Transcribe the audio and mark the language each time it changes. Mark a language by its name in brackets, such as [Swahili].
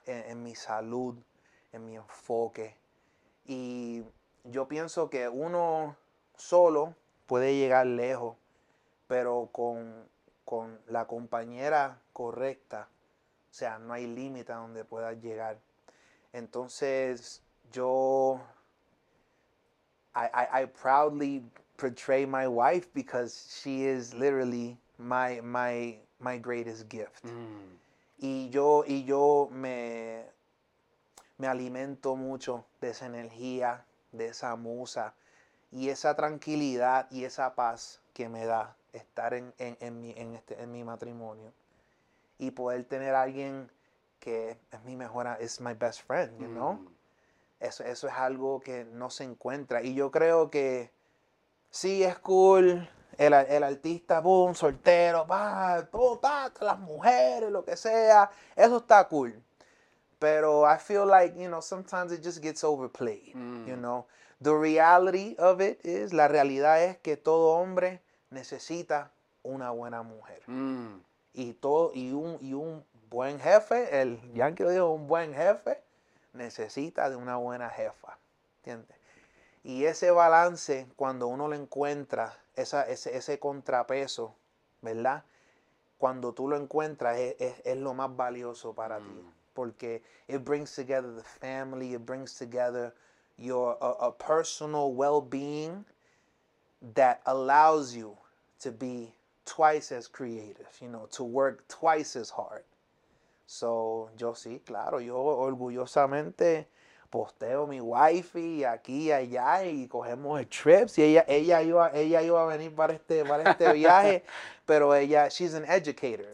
[Spanish] En mi salud, en mi enfoque. Y yo pienso que uno solo puede llegar lejos, pero con la compañera correcta, o sea, no hay límite a donde puedas llegar. Entonces, yo, [English] I proudly portray my wife because she is literally my greatest gift. Mm. [Spanish] Y yo me alimento mucho de esa energía, de esa musa, y esa tranquilidad y esa paz que me da estar en mi matrimonio. Y poder tener a alguien que es mi mejor, es [English] my best friend, you know? [Spanish] Eso es algo que no se encuentra. Y yo creo que sí es cool, el artista, boom, soltero, va, todas las mujeres, lo que sea, eso está cool. Pero [English] I feel like, you know, sometimes it just gets overplayed, you know? The reality of it is, [Spanish] la realidad es que todo hombre necesita una buena mujer. Mm. Y un buen jefe, el Yankee lo dijo, un buen jefe necesita de una buena jefa, ¿entiendes? Y ese balance, cuando uno lo encuentra, ese contrapeso, ¿verdad? Cuando tú lo encuentras, es lo más valioso para ti. Porque [English] it brings together the family, it brings together your a personal well-being that allows you to be twice as creative, you know, to work twice as hard. [Spanish] So, yo sí, claro, yo orgullosamente posteo mi wifey aquí y allá y cogemos trips, y ella iba a venir para este viaje, pero ella, [English] she's an educator.